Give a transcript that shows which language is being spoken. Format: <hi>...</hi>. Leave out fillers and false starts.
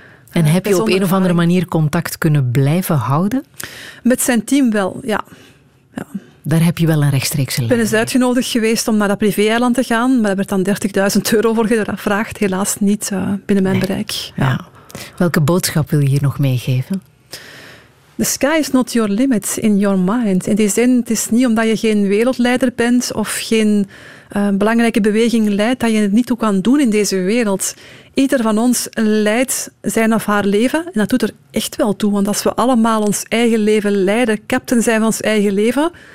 <nl>En heb je op een of andere manier contact kunnen blijven houden? Met zijn team wel, ja. Ja. Daar heb je wel een rechtstreeks lijn. Ik ben eens uitgenodigd geweest om naar dat privé-eiland te gaan. Maar daar werd dan 30.000 euro voor gevraagd. Helaas niet binnen mijn bereik. Ja. Ja. Welke boodschap wil je hier nog meegeven?</nl> <en>The sky is not your limit in your mind.</en> <nl>In die zin, het is niet omdat je geen wereldleider bent of geen belangrijke beweging leidt, dat je het niet toe kan doen in deze wereld. Ieder van ons leidt zijn of haar leven. En dat doet er echt wel toe. Want als we allemaal ons eigen leven leiden, captain zijn van ons eigen leven...</nl>